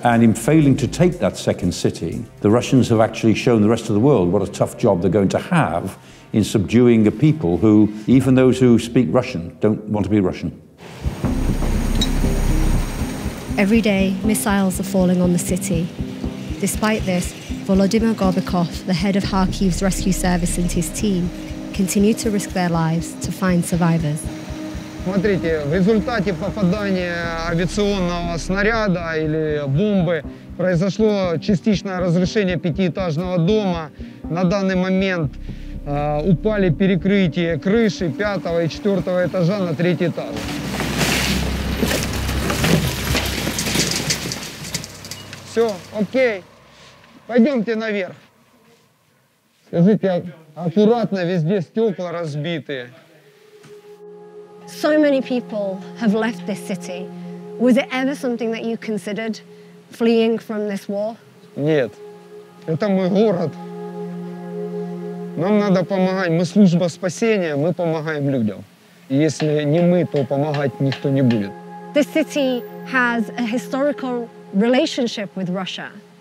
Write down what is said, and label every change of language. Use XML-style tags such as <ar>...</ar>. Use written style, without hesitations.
<en>And in failing to take that second city, the Russians have actually shown the rest of the world what a tough job they're going to have in subduing a people who, even those who speak Russian, don't want to be Russian. Every day, missiles are falling on the city. Despite this, Volodymyr Gorbikov, the head of Kharkiv's rescue service and his team, continue to risk their lives to find survivors.</en> <ru>Смотрите, в результате попадания авиационного снаряда или бомбы произошло частичное разрушение 5-этажного дома. На данный момент упали перекрытия крыши 5-го и 4-го этажа на 3-й этаж. Все, окей. Пойдемте наверх. Скажите, аккуратно, везде стекла разбиты.</ru> <en>So many people have left this city. Was it ever something that you considered fleeing from this war?</en> <ru>Нет. Это мой город. Нам надо помогать. Мы служба спасения, мы помогаем людям. Если не мы, то помогать никто не будет.</ru> <en>This city has a historical relationship with Russia.</en>